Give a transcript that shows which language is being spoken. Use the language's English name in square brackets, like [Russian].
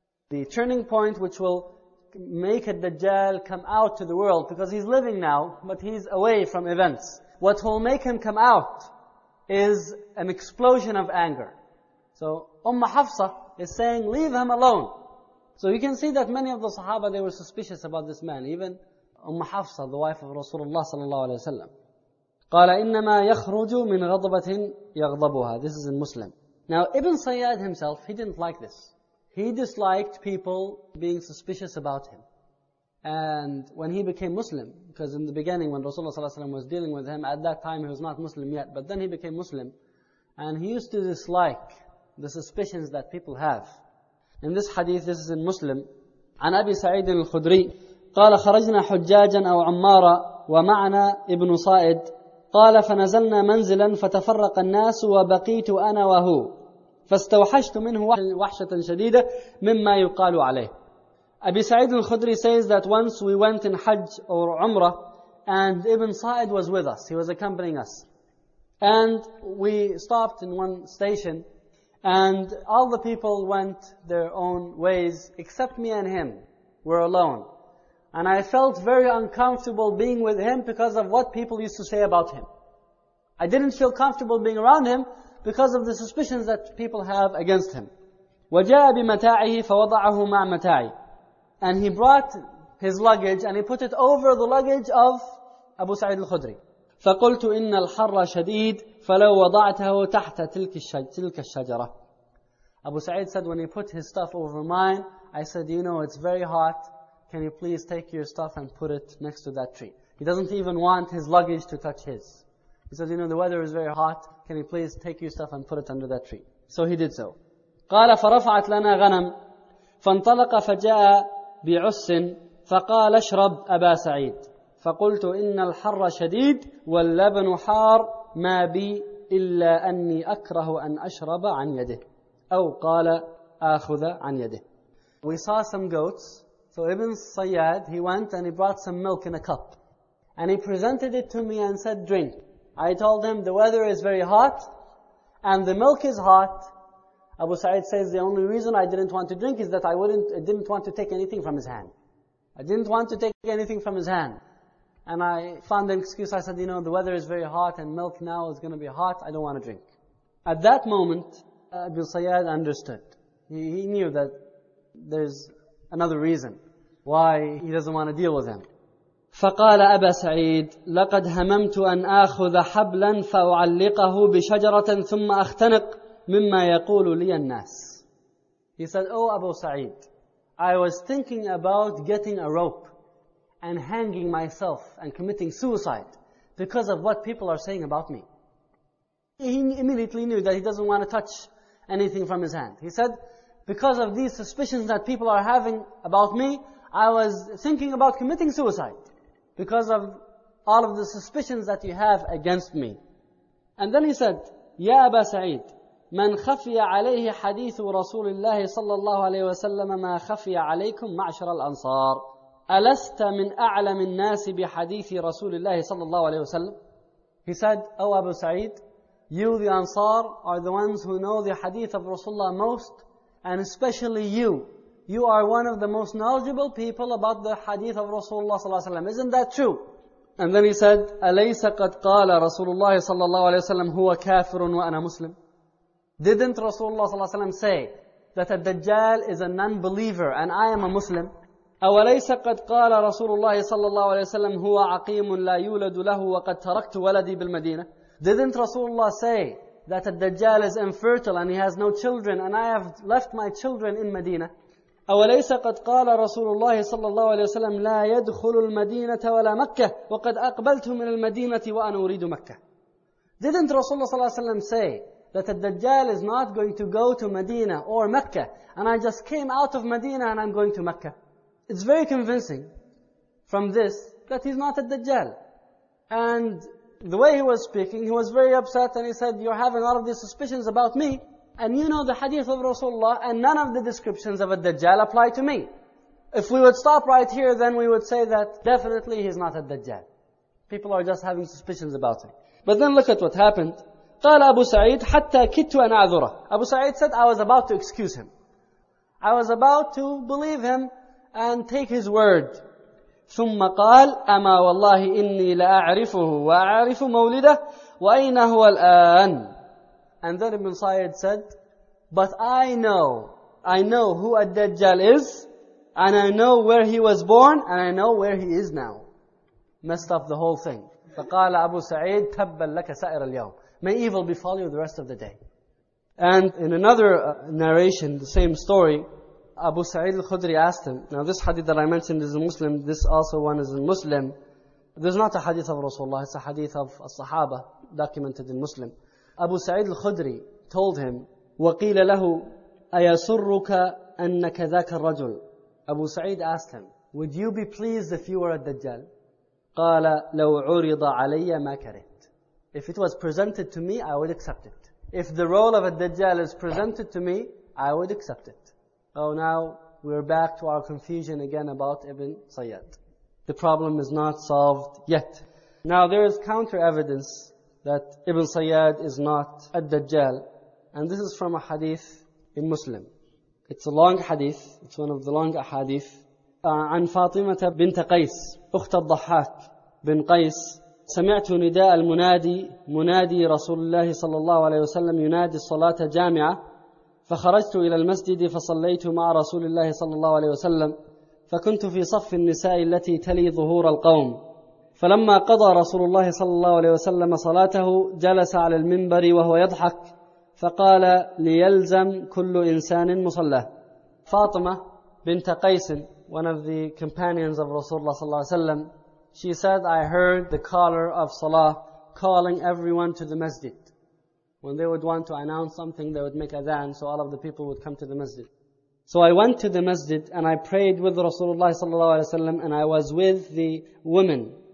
[English] The turning point which will make a Dajjal come out to the world, because he's living now, but he's away from events. What will make him come out is an explosion of anger. So Umm Hafsa is saying, leave him alone. So you can see that many of the Sahaba, they were suspicious about this man. Even Umm Hafsa, the wife of Rasulullah sallallahu alayhi wa sallam. [Arabic] قَالَ إِنَّمَا يَخْرُجُ مِنْ غَضَبَةٍ يَغْضَبُهَا [English] This is in Muslim. Now Ibn Sayyad himself, he didn't like this. He disliked people being suspicious about him. And when he became Muslim, because in the beginning when Rasulullah ﷺ was dealing with him, at that time he was not Muslim yet, but then he became Muslim. And he used to dislike the suspicions that people have. In this hadith, this is in Muslim, [Arabic] عن أبي سعيد الخدري قال خرجنا حجاجا أو عمارا ومعنا ابن صائد قال فنزلنا منزلا فتفرق الناس وبقيت أنا وهو فاستوحشت منه وحشة شديدة مما يقال عليه. [English] Abi Sa'id al-Khudri says that once we went in Hajj or Umrah and Ibn Sa'id was with us. He was accompanying us. And we stopped in one station and all the people went their own ways except me and him. We're alone. And I felt very uncomfortable being with him because of what people used to say about him. I didn't feel comfortable being around him because of the suspicions that people have against him. [Arabic] وَجَاءَ بِمَتَاعِهِ فَوَضَعَهُ مَعْ مَتَاعِ [English] And he brought his luggage and he put it over the luggage of Abu Sa'id al-Khudri. [Arabic] فَقُلْتُ إِنَّ الْحَرَّ شَدِيدٌ فَلَوْ وَضَعْتَهُ تَحْتَ تِلْكَ الشَّجَرَةِ [English] Abu Sa'id said, when he put his stuff over mine, I said, you know, it's very hot. Can you please take your stuff and put it next to that tree? He doesn't even want his luggage to touch his. He says, you know, the weather is very hot. Can you please take your stuff and put it under that tree? So he did so. [Arabic] قَالَ فَرَفَعَتْ لَنَا غَنَمْ فَانْطَلَقَ فَجَاءَ بِعُسٍ فَقَالَ اشْرَبْ أَبَا سَعِيدٍ فَقُلْتُ إِنَّ الْحَرَّ شَدِيدٌ وَاللَّبَنُ حَارٌ مَا بِي إِلَّا أَنِّي أَكْرَهُ أَنْ أَشْرَبَ عَنْ يَدِهِ أَوْ قَالَ أَخُذَ عَنْ يَدِهِ [English] We saw some goats. So Ibn Sayyad, he went and he brought some milk in a cup. And he presented it to me and said, drink. I told him, the weather is very hot and the milk is hot. Abu Sa'id says the only reason I didn't want to drink is that I didn't want to take anything from his hand. I didn't want to take anything from his hand. And I found an excuse. I said, you know, the weather is very hot and milk now is going to be hot. I don't want to drink. At that moment, Abu Sayyad understood. He knew that there's another reason why he doesn't want to deal with him. [Arabic] فقال أبا سعيد لقد هممت أن آخذ حبلا فأعلقه بشجرة ثم أختنق مما يقول لي الناس. [English] He said, oh Abu Sa'id, I was thinking about getting a rope and hanging myself and committing suicide because of what people are saying about me. He immediately knew that he doesn't want to touch anything from his hand. He said, because of these suspicions that people are having about me, I was thinking about committing suicide because of all of the suspicions that you have against me. And then he said, [Arabic] Ya Aba Sa'id, من خفي عليه حديث رسول الله صلى الله عليه وسلم ما خفي عليكم معشر الأنصار ألست من أعلم الناس بحديث رسول الله صلى الله عليه وسلم. [English] He said, oh Abu Sa'id, you the Ansar are the ones who know the hadith of Rasulullah most, and especially you. You are one of the most knowledgeable people about the hadith of Rasulullah صلى الله عليه وسلم. Isn't that true? And then he said, [Arabic] أليس قد قال رسول الله صلى الله عليه وسلم هو كافر وأنا مسلم. [English] Didn't Rasulullah صلى الله عليه وسلم say that a Dajjal is a non-believer and I am a Muslim? [Arabic] أوليس قد قال رسول الله صلى الله عليه وسلم هو عقيم لا يولد له وقد تركت ولدي بالمدينة؟ [English] Didn't Rasulullah say that a Dajjal is infertile and he has no children and I have left my children in Medina? [Arabic] أوليس قد قال رسول الله صلى الله عليه وسلم لا يدخل المدينة ولا مكة وقد أقبلت من المدينة وأنا أريد مكة؟ [English] Didn't Rasulullah صلى الله عليه وسلم say that a Dajjal is not going to go to Medina or Mecca, and I just came out of Medina and I'm going to Mecca? It's very convincing from this that he's not a Dajjal. And the way he was speaking, he was very upset and he said, you're having all of these suspicions about me, and you know the hadith of Rasulullah, and none of the descriptions of a Dajjal apply to me. If we would stop right here, then we would say that definitely he's not a Dajjal. People are just having suspicions about him. But then look at what happened. [Arabic] قال أبو سعيد حتى كدت أن أعذره. [English] Abu Sa'id said, I was about to excuse him. I was about to believe him and take his word. [Arabic] ثم قال أما والله إني لأعرفه وأعرف مولده وأين هو الآن. [English] And then Ibn Sa'id said, but I know who Ad-Dajjal is, and I know where he was born, and I know where he is now. Messed up the whole thing. [Arabic] فقال أبو سعيد تبا لك سائر اليوم. [English] May evil befall you the rest of the day. And in another narration, the same story, Abu Sa'id al-Khudri asked him, now this hadith that I mentioned is a Muslim, this also one is in Muslim. There's not a hadith of Rasulullah, it's a hadith of a Sahaba documented in Muslim. Abu Sa'id al-Khudri told him, [Arabic] وَقِيلَ لَهُ أَيَسُرُّكَ أَنَّكَ ذَاكَ الرَّجُلُ. [English] Abu Sa'id asked him, would you be pleased if you were a Dajjal? [Arabic] قَالَ لَوْ عُرِضَ عَلَيَّ مَا كَرِهْ. [English] If it was presented to me, I would accept it. If the role of a Dajjal is presented to me, I would accept it. Oh, now we're back to our confusion again about Ibn Sayyad. The problem is not solved yet. Now there is counter evidence that Ibn Sayyad is not a Dajjal. And this is from a hadith in Muslim. It's a long hadith. It's one of the long hadith. [Arabic] عن فاطمة بنت قيس أخت الضحاك بن قيس سمعت نداء المنادي منادي رسول الله صلى الله عليه وسلم ينادي الصلاة جامعة فخرجت إلى المسجد فصليت مع رسول الله صلى الله عليه وسلم فكنت في صف النساء التي تلي ظهور القوم فلما قضى رسول الله صلى الله عليه وسلم صلاته جلس على المنبر وهو يضحك فقال ليلزم كل إنسان مصلاه. [English] فاطمة بنت قيس, one of the companions of Rasulullah صلى الله عليه وسلم, she said, I heard the caller of Salah calling everyone to the masjid. When they would want to announce something, they would make adhan, so all of the people would come to the masjid. So I went to the masjid and I prayed with Rasulullah sallallahu alayhi wa sallam, and I was with the women.